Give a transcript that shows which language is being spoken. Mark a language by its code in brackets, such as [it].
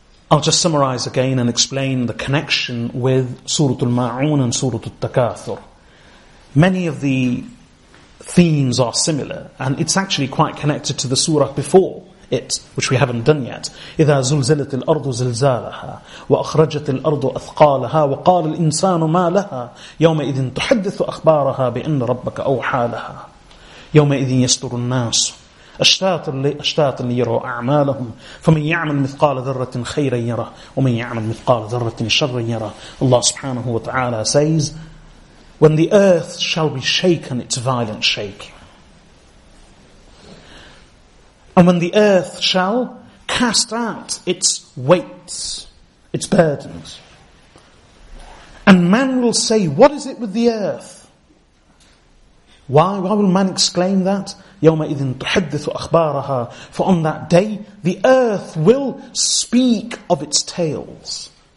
[en] I'll just summarize again and explain the connection with Surah Al-Ma'un and Surah Al-Takathur. Many of the themes are similar, and it's actually quite connected to the surah before it, which we haven't done yet. [ar] إِذَا زُلْزِلَتِ الْأَرْضُ زِلْزَالَهَا وَأَخْرَجَتِ الْأَرْضُ أَثْقَالَهَا وَقَالَ الْإِنسَانُ مَا لَهَا يَوْمَئِذٍ تُحَدِّثُ أَخْبَارَهَا بِأَنَّ رَبَّكَ أَوْحَى لَهَا يَوْمَئِذٍ يَسْطُرُ النَّاسُ أَشْتَاتًا لِيَرَوْا أَعْمَالَهُمْ فَمَنْ يَعْمَلْ مِثْقَالَ ذَرَّةٍ خَيْرًا يَرَهُ وَمَنْ يَعْمَلْ مِثْقَالَ ذَرَّةٍ شَرًّا يَرَهُ [en] Allah subhanahu wa ta'ala says, When the earth shall be shaken, its violent shaking. And when the earth shall cast out its weights, its burdens. And man will say, what is it with the earth? Why will man exclaim that? [ar] يَوْمَئِذٍ تُحَدِّثُ أَخْبَارَهَا [en] For on that day, the earth will speak of its tales.